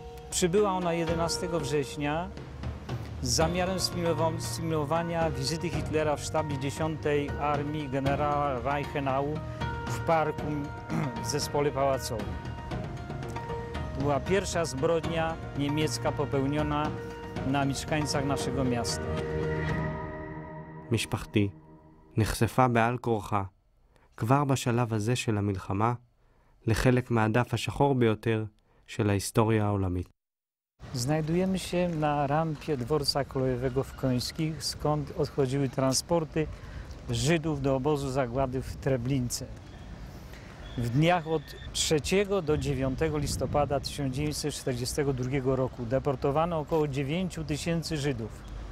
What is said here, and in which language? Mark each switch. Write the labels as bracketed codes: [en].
[pl] Przybyła ona 11 września z zamiarem symulowania wizyty Hitlera w sztabie 10 Armii generała Reichenau w parku w Zespole Pałacowym. Była pierwsza zbrodnia niemiecka popełniona na mieszkańcach naszego miasta. [he] משפחתי נחשפה בעל כורחה, כבר בשלב הזה של המלחמה, לחלק מהדף השחור ביותר של ההיסטוריה העולמית. [pl] Znajdujemy się na rampie dworca kolejowego w Końskich, skąd odchodziły transporty Żydów do obozu zagłady w Treblince. W dniach od 3 do 9 listopada 1942 roku deportowano około 9 tysięcy Żydów.